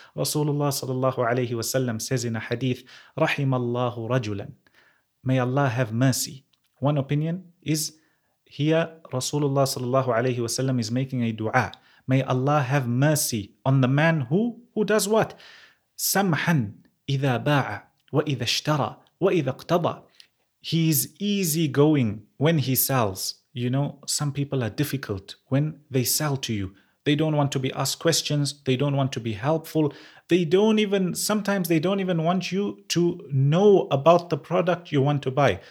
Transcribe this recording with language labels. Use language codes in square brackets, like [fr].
[en] Rasulullah sallallahu alayhi wa sallam says in a hadith, [ar] رحم الله رجلا. [en] May Allah have mercy. One opinion is here, Rasulullah sallallahu alayhi wa sallam is making a dua. May Allah have mercy on the man who does what? [ar] سمحن إذا باع وإذا اشترى وإذا اقتضى. [en] He is easygoing when he sells. You know, some people are difficult when they sell to you. They don't want to be asked questions. They don't want to be helpful. Sometimes they don't even want you to know about the product you want to buy.